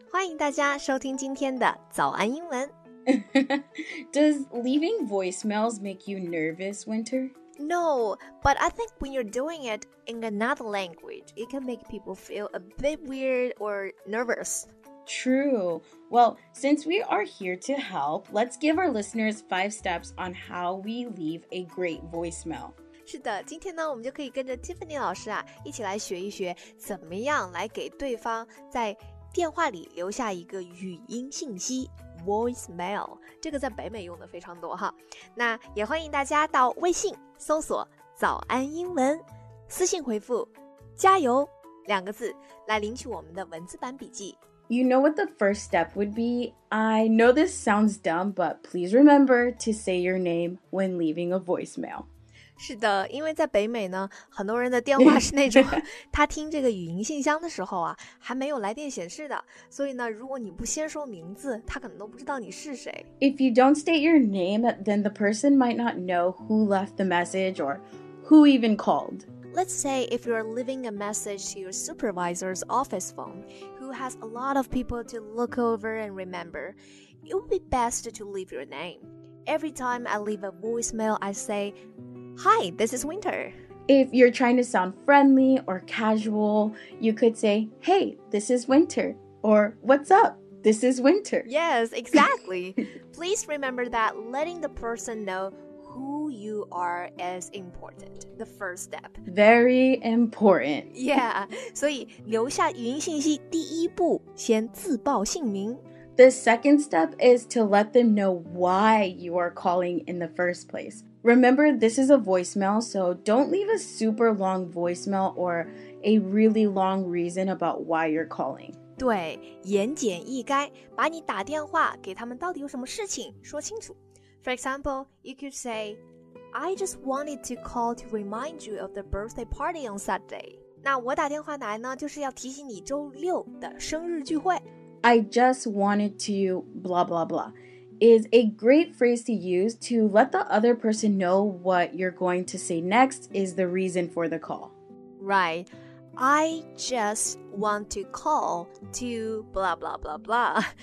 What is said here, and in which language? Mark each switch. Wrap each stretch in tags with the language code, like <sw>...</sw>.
<zh>欢迎大家收听今天的早安英文。</zh> <en>Does leaving voicemails make you nervous, Winter? No, but I think when you're doing it in another language, it can make people feel a bit weird or nervous. True. Well, since we are here to help, let's give our listeners 5 steps on how we leave a great voicemail.</en> <zh>是的，今天呢，我们就可以跟着 Tiffany 老师啊，一起来学一学怎么样来给对方在电话里留下一个语音信息 voicemail。这个在北美用的非常多哈。那也欢迎大家到微信搜索“早安英文”，私信回复“加油”两个字来领取我们的文字版笔记。</zh> <en>You know what the first step would be? I know this sounds dumb, but please remember to say your name when leaving a voicemail.</en> <zh>是的，因为在北美呢，很多人的电话是那种他听这个语音信箱的时候啊，还没有来电显示的，所以呢，如果你不先说名字，他可能都不知道你是谁。</zh> <en>If you don't state your name, then the person might not know who left the message or who even called. Let's say if you're leaving a message to your supervisor's office phone, who has a lot of people to look over and remember, it would be best to leave your name. Every time I leave a voicemail, I say,Hi, this is Winter. If you're trying to sound friendly or casual, you could say, Hey, this is Winter. Or, What's up? This is Winter. Yes, exactly. Please remember that letting the person know who you are is important. The first step. Very important. Yeah.</en> <zh>所以留下语音信息第一步先自报姓名。</zh> <en>The second step is to let them know why you are calling in the first place. Remember, this is a voicemail, so don't leave a super long voicemail or a really long reason about why you're calling.</en> <zh>对，言简意赅，把你打电话给他们到底有什么事情说清楚。</zh> <en>For example, you could say, I just wanted to call to remind you of the birthday party on Saturday.</en> <zh>那我打电话来呢，就是要提醒你周六的生日聚会。</zh> <en>I just wanted to blah blah blah. Is a great phrase to use to let the other person know what you're going to say next is the reason for the call. Right. I just want to call to blah blah blah blah.</en>